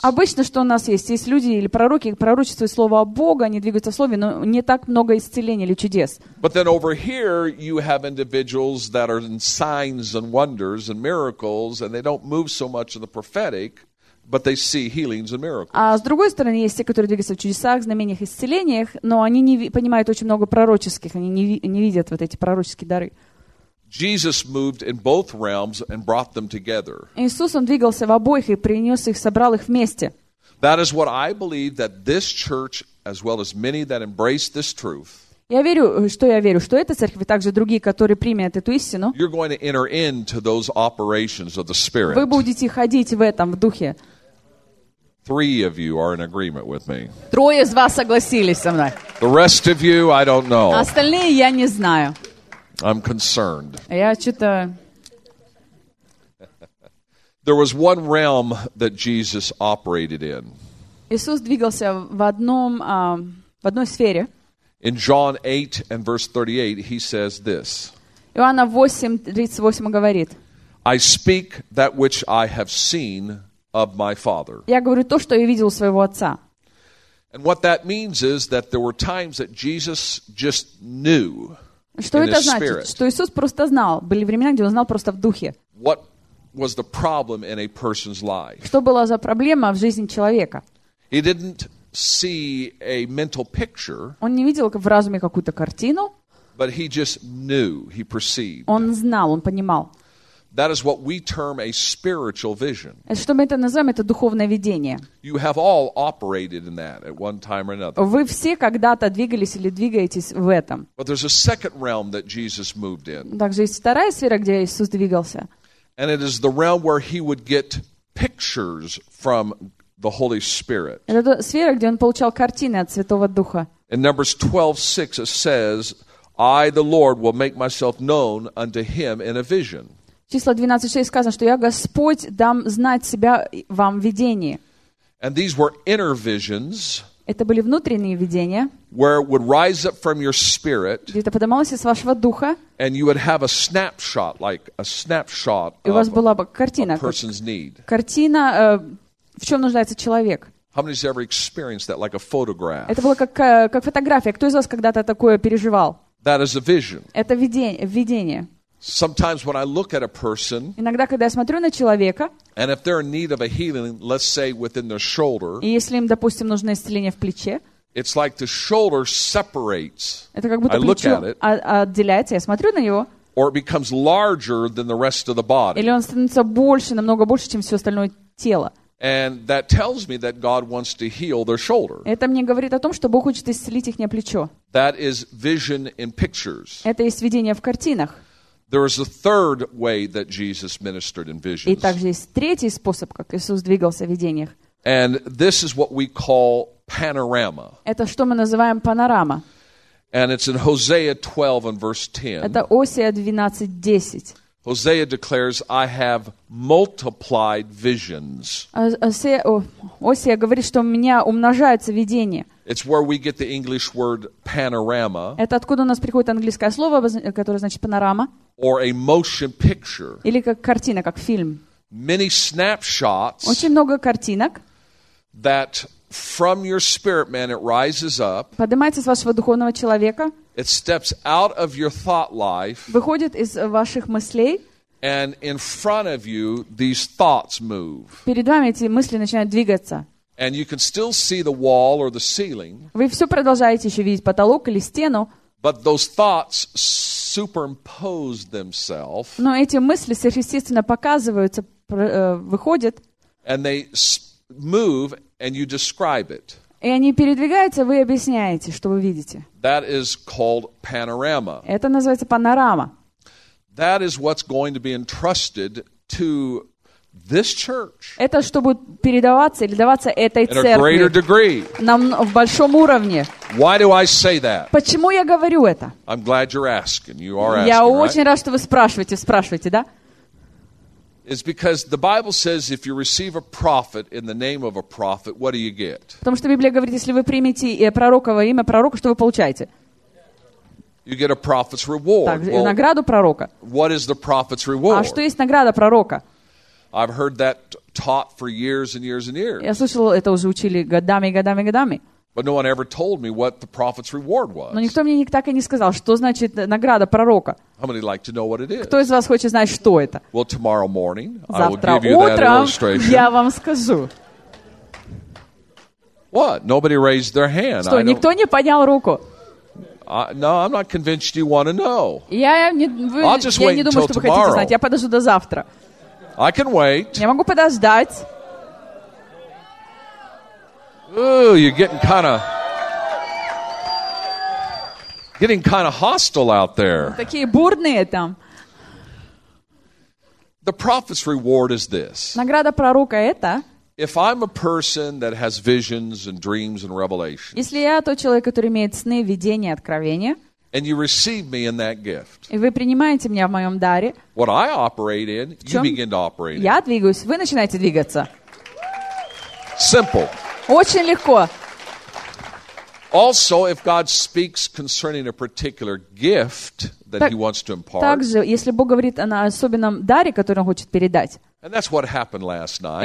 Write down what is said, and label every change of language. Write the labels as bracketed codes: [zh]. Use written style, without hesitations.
[ru] Обычно, что у нас есть, есть люди или пророки, пророчествуют слово о Боге, они двигаются в слове, но не так много исцелений или чудес. [en] But then over here you have individuals that are in signs and wonders and miracles, and they don't move so much in the prophetic, but they see healings and miracles. [ru] А с другой стороны есть те, которые двигаются в чудесах, знамениях, исцелениях, но они не понимают очень много пророческих, они не видят вот эти пророческие дары. [en] Jesus moved in both realms and brought them together. [ru] Иисус он двигался в обоих и принес их, собрал их вместе. [en] That is what I believe that this church, as well as many that embrace this truth, [ru] я верю, что эта церковь и также другие, которые примут эту истину, [en] you're going to enter into those operations of the Spirit. [ru] Вы будете ходить в этом в духе. [en] Three of you are in agreement with me. [ru] Трое из вас согласились со мной. [en] The rest of you, I don't know. [ru] Остальные я не знаю. [en] I'm concerned. [ru] Я что-то... [en] There was one realm that Jesus operated in. [ru] Иисус двигался в одной сфере. [en] In John 8 and verse 38, he says this. [ru] Иоанна 8:38 говорит. [en] I speak that which I have seen of my Father. [ru] Я говорю то, что я видел своего отца. [en] And what that means is that there were times that Jesus just knew. [ru] Что это значит? [en] Spirit. [ru] Что Иисус просто знал. Были времена, где Он знал просто в духе. [en] What was the problem in a person's life? [ru] Что была за проблема в жизни человека? [en] He didn't see a mental picture, [ru] он не видел в разуме какую-то картину. [en] But he just knew, he perceived. [ru] Он знал, он понимал. [en] That is what we term a spiritual vision. [ru] Что мы это называем? Это духовное видение. [en] You have all operated in that at one time or another. [ru] Вы все когда-то двигались или двигаетесь в этом. [en] But there's a second realm that Jesus moved in. [ru] Также есть вторая сфера, где Иисус двигался. [en] And it is the realm where he would get pictures from the Holy Spirit. [ru] Это сфера, где он получал картины от Святого Духа. [en] In Numbers 12:6 it says, I, the Lord, will make myself known unto him in a vision. [ru] Числа 12:6 сказано, что я Господь дам знать себя вам в видении. [en] And these were inner visions, [ru] это были внутренние видения, [en] where it would rise up from your spirit, [ru] где это поднималось из вашего духа, [en] and you would have a snapshot, like a snapshot [ru] и у вас была бы картина, [en] a person's need. [ru] Картина, в чем нуждается человек. [en] How many has ever experienced that, like a photograph? [ru] Это было как фотография. Кто из вас когда-то такое переживал? [en] That is a vision. [ru] Это видение. [en] Sometimes when I look at a person, [ru] иногда, когда я смотрю на человека, [en] and if they're in need of a healing, let's say within their shoulder, [ru] и если им, допустим, нужно исцеление в плече, [en] it's like the shoulder separates. [ru] Это как будто плечо отделяется, я смотрю на него, [en] or it becomes larger than the rest of the body. [ru] Или он становится больше, намного больше, чем все остальное тело. [en] And that tells me that God wants to heal their shoulder. [ru] Это мне говорит о том, что Бог хочет исцелить их плечо. [en] That is vision in pictures. [ru] Это есть видение в картинах. [en] There is a third way that Jesus ministered in visions. [ru] И также есть третий способ, как Иисус двигался в видениях. [en] And this is what we call panorama. [ru] Это что мы называем панорама. [en] And it's in Hosea 12 and verse 10. [ru] Это Осия 12:10. [en] Hosea declares, I have multiplied visions. [ru] Осия говорит, что у меня умножаются видения. [en] It's where we get the English word panorama. [ru] Это откуда у нас приходит английское слово, которое значит панорама. [en] Or a motion picture. [ru] Или как картина, как фильм. [en] Many snapshots. [ru] Очень много картинок. [en] That from your spirit man it rises up. [ru] Поднимается с вашего духовного человека. [en] It steps out of your thought life. [ru] Выходит из ваших мыслей. [en] And in front of you, these thoughts move. [ru] Перед вами эти мысли начинают двигаться. [en] And you can still see the wall or the ceiling. [ru] Вы все продолжаете еще видеть потолок или стену. [en] But those thoughts superimpose themselves. [ru] Но эти мысли сверхъестественно показываются, выходят. [en] And they move, and you describe it. [ru] И они передвигаются, вы объясняете, что вы видите. [en] That is called panorama. [ru] Это называется панорама. [en] That is what's going to be entrusted to this church. [ru] Это что будет передаваться или даваться этой [en] in [ru] церкви. [en] In a greater degree. [ru] В большом уровне. [en] Why do I say that? [ru] Почему я говорю это? [en] I'm glad you're asking. You are [ru] я [en] asking, [ru] очень [en] right? [ru] рад, что вы спрашиваете. Спрашиваете, да? [en] It's because the Bible says if you receive a prophet in the name of a prophet, what do you get? [ru] Потому что Библия говорит, если вы примете пророка во имя пророка, что вы получаете? [en] You get a prophet's reward. [ru] Так, well, награду пророка. [en] What is the prophet's reward? [ru] А что есть награда пророка? [en] I've heard that taught for years and years and years. [ru] Я слышал, это уже учили годами и годами и годами. [en] But no one ever told me what the prophet's reward was. [ru] Но никто мне так и не сказал, что значит награда пророка. [en] How many like to know what it is? [ru] Кто из вас хочет знать, что это? [en] Well, tomorrow morning, [ru] завтра [en] I will give you that illustration. [ru] Завтра утром я вам скажу. [en] What? Nobody raised their hand. [ru] Что, никто не поднял руку? [en] No, I'm not convinced you want to know. [ru] Я не думаю, что вы хотите знать. Я подожду до завтра. [en] I can wait. [ru] Я могу подождать. [en] Ooh, you're getting kind of hostile out there. [ru] Такие бурные там. [en] The prophet's reward is this. [ru] Награда пророка это. [en] If I'm a person that has visions and dreams and revelations. [ru] Если я тот человек, который имеет сны, видения, откровения. [en] And you receive me in that gift. [ru] И вы принимаете меня в моем даре. [en] What I operate in, you begin to operate in. [ru] Я двигаюсь, вы начинаете двигаться. [en] Simple. [ru] Очень легко. [en] Also, if God speaks concerning a particular gift that He wants to impart. [ru] Также, если Бог говорит о особенном даре, который Он хочет передать. [en] And that's what happened last night.